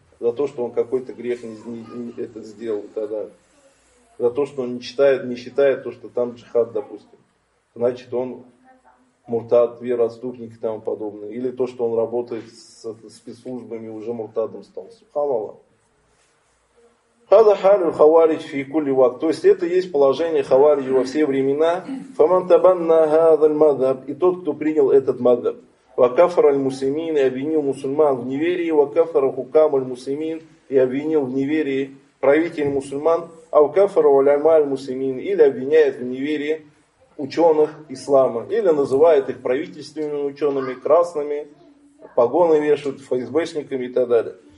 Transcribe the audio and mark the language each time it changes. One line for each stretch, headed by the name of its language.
Russian: За то, что он какой-то грех не сделал тогда. За то, что он не считает то, что там джихад, допустим. Значит, он муртад, вера отступник и тому подобное. Или то, что он работает с спецслужбами, уже муртадом стал. Субханаллах.
Arabic: هذا حال الخوارج في كل وقت.
Russian: То есть это есть положение хавариджи во все времена.
Arabic: فمن تبنى هذا المذهب,
Russian: и тот, кто принял этот мадхаб,
Arabic: وكفر المسلمين,
Russian: и обвинил мусульман в неверии,
Arabic: وكفر حكام المسلمين,
Russian: и обвинил в неверии правитель мусульман,
Arabic: وكفر العلماء المسلمين,
Russian: или обвиняет в неверии ученых ислама, или называет их правительственными учеными, красными, погоны вешают, ФСБшниками и так далее.